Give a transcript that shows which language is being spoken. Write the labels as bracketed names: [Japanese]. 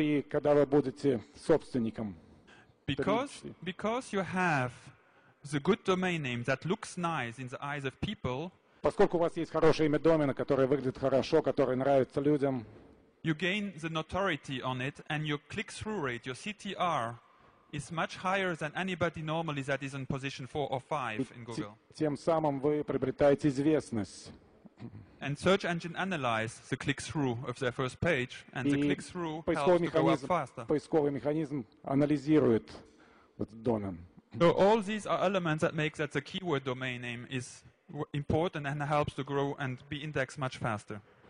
[Russian] Когда вы будете собственником. [English] Because you have the good domain name that looks nice in the eyes of people. [Russian] Поскольку у вас есть хорошее имя домена, которое выглядит хорошо, которое нравится людям. [English] You gain the notoriety on it and your click-through rate, your CTR, is much higher than anybody normally that is in position 4 or 5 in Google. [Russian] Тем самым вы приобретаете известность. [English] And search engine analyze the click-through of their first page, and the click-through helps to go up faster. [Russian] Поисковый механизм анализирует этот домен. [English] So all these are elements that make that the keyword domain name is important and helps to grow and be indexed much faster.